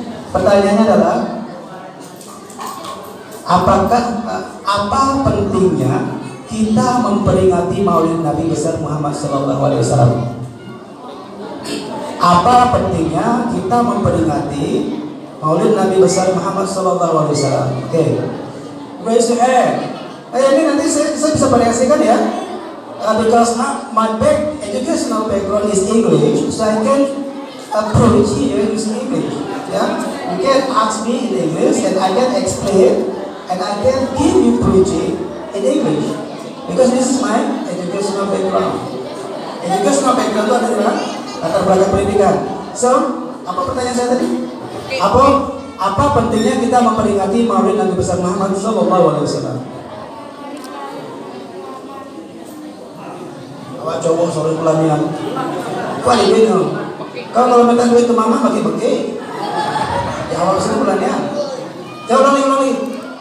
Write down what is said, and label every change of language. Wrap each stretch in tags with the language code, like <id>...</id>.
<id>Pertanyaannya adalah, apa pentingnya kita memperingati Maulid Nabi besar Muhammad Sallallahu Alaihi Wasallam? Apa pentingnya kita memperingati Maulid Nabi besar Muhammad Sallallahu Alaihi Wasallam? Oke, okay.</id> <en>Raise your hand.</en> <id>Ini nanti saya bisa bereaksikan ya.</id> <en>Because my back educational background is English, so I can approach you in English. Yeah, you can ask me in English and I can explain. And I can give you preaching in English because this is my educational background.</en> <id>Educational background itu adalah latar belakang pendidikan. So, apa pertanyaan saya tadi? Apa pentingnya kita memperingati Maulid Nabi besar Muhammad Sallallahu Alaihi Wasallam? Apa cowok sore pelanian? Kali ini loh. Kalau minta duit ke mama, pakai. Jawab sore pelanian. Jawab lagi.</id>